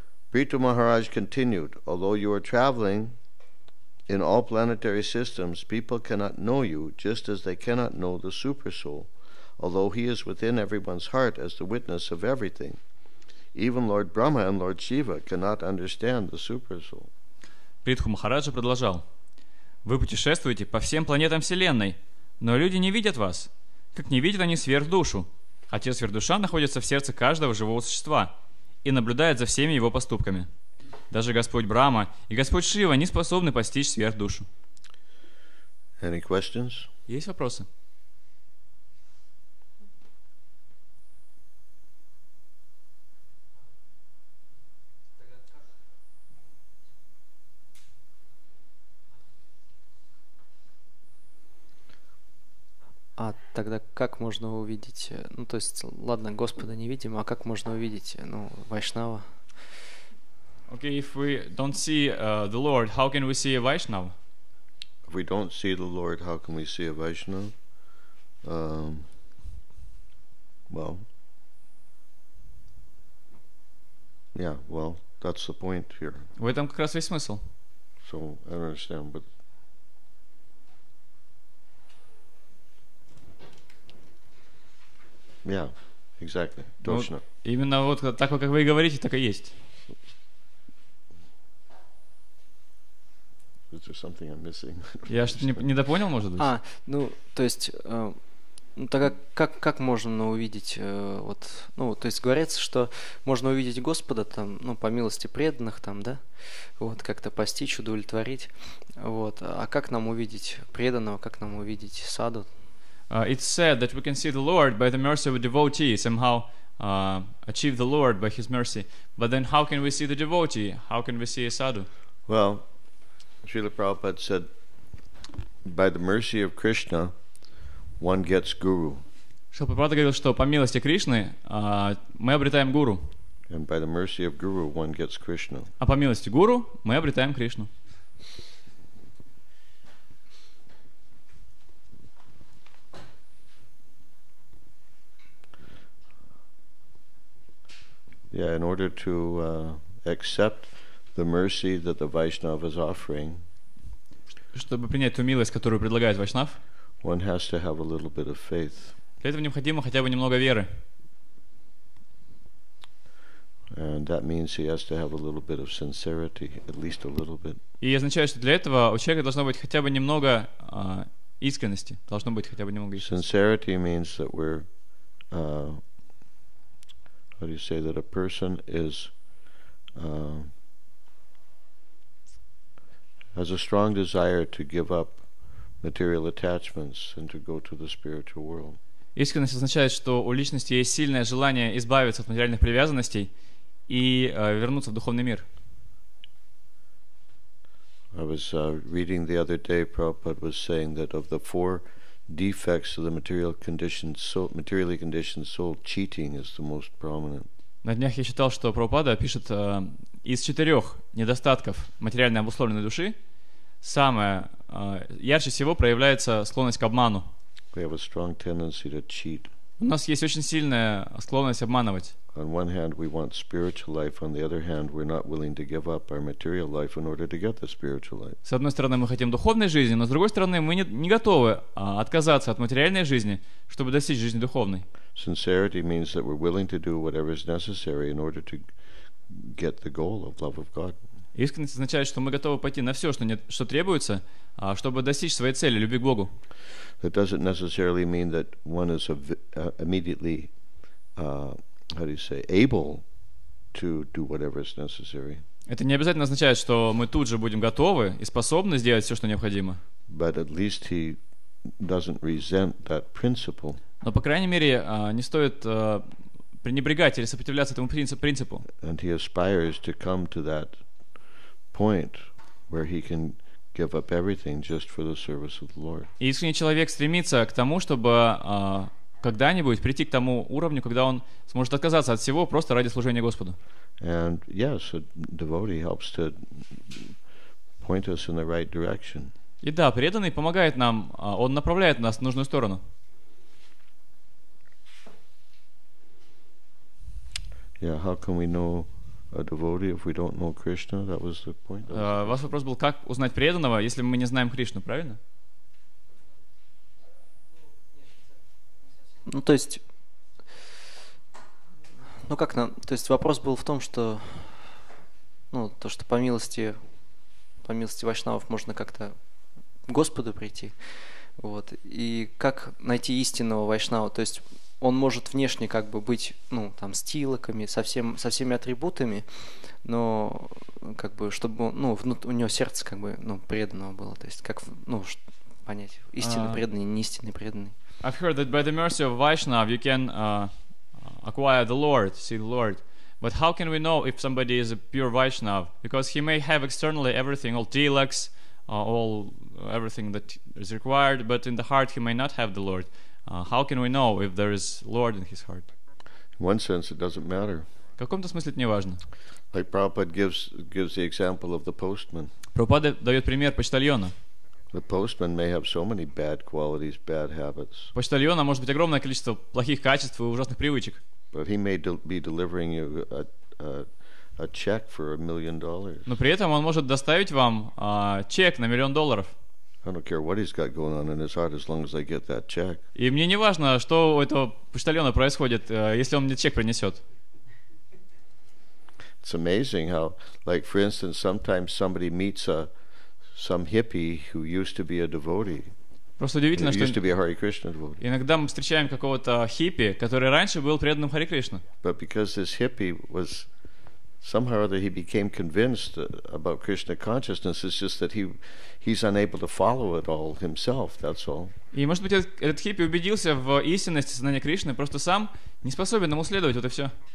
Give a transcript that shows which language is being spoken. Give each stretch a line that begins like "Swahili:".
English: Prita Maharaj continued, although you are traveling in all planetary systems, people cannot know you just as they cannot know the Super Soul, although he is within everyone's heart as the witness of everything. Even Lord Brahma and Lord Shiva cannot understand the Super Soul.
Russian: Prita Maharaj продолжал. Вы путешествуете по всем планетам Вселенной, но люди не видят вас, как не видят они сверхдушу, хотя сверхдуша находится в сердце каждого живого существа и наблюдает за всеми его поступками. Даже Господь Брама и Господь Шива не способны постичь сверхдушу.
English: Any questions?
Russian: Есть вопросы? А тогда как можно увидеть, ну то есть, ладно, Господа невидимо, а как можно увидеть, ну, вайшнава?
English: Okay, if we don't see the Lord, how can we see a Vaishnava? If we don't see the Lord, how can we see a Vaishnava? Well, that's the point here.
Russian: В этом как раз весь смысл.
English: So, I don't understand, but... Yeah, exactly,
Russian: точно. Вот именно вот так, как вы и говорите, так и есть.
English: Is there something I'm missing?
Russian: Я что-то недопонял, может быть? А, ну, то есть, тогда как можно увидеть, вот, ну, то есть говорится, что можно увидеть Господа, там, ну, по милости преданных, там, да, вот, как-то постичь, удовлетворить, вот, а как нам увидеть преданного, как нам увидеть саду?
English: It's said that we can see the Lord by the mercy of a devotee, somehow achieve the Lord by his mercy, but then how can we see the devotee, how can we see a sadhu? Well, Srila Prabhupada said, by the mercy of Krishna, one gets guru.
Russian: Srila Prabhupada говорил, что по милости Кришны мы обретаем гуру.
English: And by the mercy of guru, one gets Krishna.
Russian: А по милости гуру мы обретаем Кришну.
English: Yeah, in order to accept the mercy that the Vaishnava is offering,
Russian: чтобы принять ту милость, которую предлагает Вайшнав,
English: one has to have a little bit of faith.
Russian: Для этого необходимо хотя бы немного веры.
English: And that means he has to have a little bit of sincerity, at least a little bit.
Russian: И означает, что для этого у человека должно быть хотя бы немного искренности. Должно быть хотя бы немного искренности.
English: Sincerity means that we're how do you say that a person is has a strong desire to give up material attachments and to go to the spiritual world.
Russian: Искренность означает, что у личности есть сильное желание избавиться от материальных привязанностей и вернуться в духовный мир.
English: I was reading the other day, Prabhupada was saying that of the four defects of the material conditioned soul, materially conditioned soul, cheating is the most prominent.
Russian: На днях я читал, что Прабхупада пишет, из четырех недостатков материально обусловленной души самое ярче всего проявляется склонность к обману.
English: We have a strong tendency to cheat.
Russian: У нас есть очень сильная склонность обманывать.
English: On one hand, we want spiritual life. On the other hand, we're not willing to give up our material life in order to get the spiritual life.
Russian: С одной стороны, мы хотим духовной жизни, но с другой стороны, мы не готовы отказаться от материальной жизни, чтобы достичь жизни духовной.
English: Sincerity means that we're willing to do whatever is necessary in order to get the goal of love of God.
Russian: Искренность означает, что мы готовы пойти на все, что требуется, чтобы достичь своей цели, любви к Богу.
English: It doesn't necessarily mean that one is immediately how do you say, able to do whatever is necessary.
Russian: Это не обязательно означает, что мы тут же будем готовы и способны сделать все, что необходимо.
English: But at least he doesn't resent that principle.
Russian: Но, по крайней мере, не стоит пренебрегать или сопротивляться этому принципу.
English: And he aspires to come to that point where he can give up everything just for the service of the Lord.
Russian: И искренний человек стремится к тому, чтобы когда-нибудь прийти к тому уровню, когда он сможет отказаться от всего просто ради служения Господу.
English: And yes, a devotee helps to point us in the right direction.
Russian: И да, преданный помогает нам, он направляет нас в нужную сторону.
English: Yeah, how can we know a devotee if we don't know Krishna? That was the point.
Russian: Ваш вопрос был, как узнать преданного, если мы не знаем Кришну, правильно? Ну, то есть, вопрос был в том, что, ну, то, что по милости вайшнавов можно как-то к Господу прийти, вот, и как найти истинного вайшнава, то есть, он может внешне как бы быть, ну, там, с тилоками, со всеми атрибутами, но, как бы, чтобы, ну, у него сердце, как бы, ну, преданного было, то есть, как, ну, понять, истинно преданный, не истинно преданный.
English: I've heard that by the mercy of Vaishnava you can acquire the Lord, see the Lord. But how can we know if somebody is a pure Vaishnava? Because he may have externally everything, all tilaks, all everything that is required, but in the heart he may not have the Lord. How can we know if there is Lord in his heart? In one sense, it doesn't matter.
Russian: В каком-то смысле это не важно.
English: Like Prabhupada gives the example of the postman.
Russian: Прабхупада дает пример почтальона.
English: The postman may have so many bad qualities, bad habits.
Russian: Почтальона может быть огромное количество плохих качеств и ужасных привычек.
English: But he may be delivering you a check for $1,000,000.
Russian: Но при этом он может доставить вам чек на миллион долларов.
English: I don't care what he's got going on in his heart, as long as I get that check.
Russian: И мне не важно, что у этого почтальона происходит, если он мне чек принесет.
English: It's amazing how, like for instance, sometimes somebody meets some hippie who used to be a devotee.
Russian: Просто удивительно,
English: used to be a Hare Krishna devotee.
Russian: Иногда мы встречаем какого-то хиппи, который раньше был преданным Харе Кришне.
English: But because this hippie was somehow or other he became convinced about Krishna consciousness. It's just that he's unable to follow it all himself. That's all.
Russian: И может быть этот хиппи убедился в истинности сознания Кришны, просто сам не способен ему следовать, вот и все.